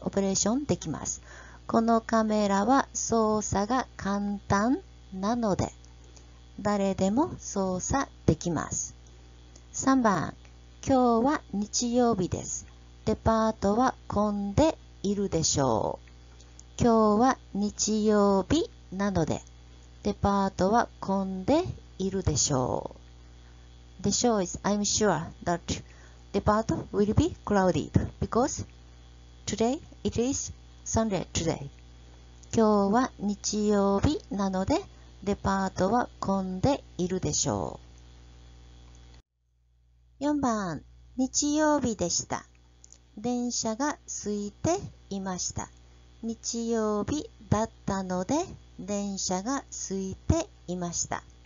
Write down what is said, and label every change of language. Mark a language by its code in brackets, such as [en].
[ja] オペレーションできます。このカメラは操作が簡単なので、誰でも操作できます。3番、今日は日曜日です。デパートは混んでいるでしょう。今日は日曜日なので、デパートは混んでいるでしょう。 [en] The show is, I'm sure that depart will be crowded because today it is Sunday today. [ja] 今日は日曜日なので、デパートは混んでいるでしょう。 4番、日曜日でした。電車が空いていました。日曜日だったので、電車が空いていました。